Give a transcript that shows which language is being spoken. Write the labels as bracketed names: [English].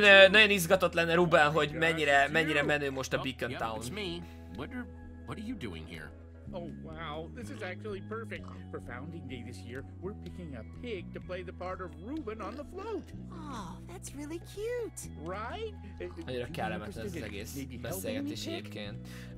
[Hungarian] Nagyon izgatott lenne Ruben, hogy mennyire menő most a Beacon Town. [English] What are you doing here? Oh wow, this is actually perfect. For Founding Day this year, we're picking a pig to play the part of Ruben on the float. Oh, that's really cute. Right? [Hungarian] Annyira kellemetlen ez az egész beszélgetés egyébként.